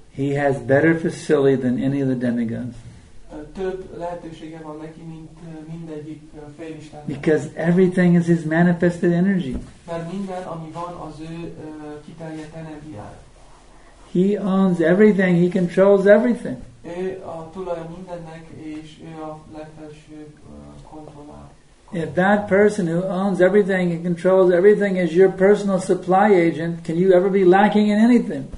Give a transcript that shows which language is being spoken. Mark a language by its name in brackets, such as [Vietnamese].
[English] He has better facility than any of the demigods. [Hungarian] több lehetősége van neki, mint mindegyik félistennek. [English] Because everything is his manifested energy. [Hungarian] Mert minden, ami van, az ő kiterjedt energiája. [English] He owns everything, he controls everything. [Hungarian] Ő a tulaj mindennek, és ő a legfelső kontrollál. [English] If that person who owns everything and controls everything is your personal supply agent, can you ever be lacking in anything?